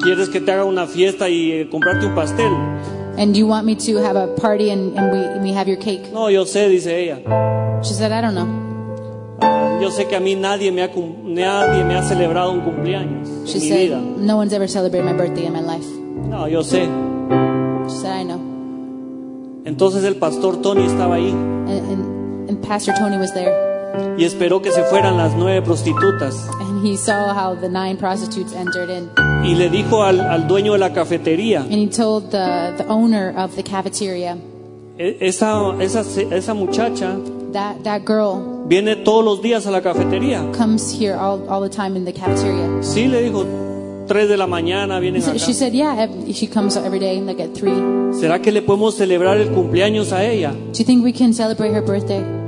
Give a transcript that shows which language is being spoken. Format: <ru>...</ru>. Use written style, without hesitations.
<es>¿Quieres que te haga una fiesta y comprarte un pastel?</es> <en>And do you want me to have a party and we have your cake?</en> <es>No, yo sé, dice ella.</es> <en>She said, I don't know.</en> <es>Yo sé que a mí nadie me ha celebrado un cumpleaños.</es> <en>She</en> <es>en mi</es> <en>said,</en> <es>vida.</es> <en>No one's ever celebrated my birthday in my life.</en> <es>No, yo sé.</es> <en>She said, I know.</en> <es>Entonces el pastor Tony estaba ahí.</es> <en>And Pastor Tony was there.</en> <es>Y esperó que se fueran las 9 prostitutas.</es> <en>And he saw how the 9 prostitutes entered in.</en> <es>Y le dijo al dueño de la cafetería.</es> <en>And he told the owner of the cafeteria.</en> <es>Esa muchacha.</es> <en>That girl.</en> <es>Viene todos los días a la cafetería.</es> <en>Comes here all the time in the cafeteria.</en> <es>Sí, le dijo. 3 de la mañana vienen acá.</es> <en>She said, yeah, she comes every day, like at 3.</en> <es>¿Será que le podemos celebrar el cumpleaños a ella?</es> <en>Do you think we can celebrate her birthday?</en>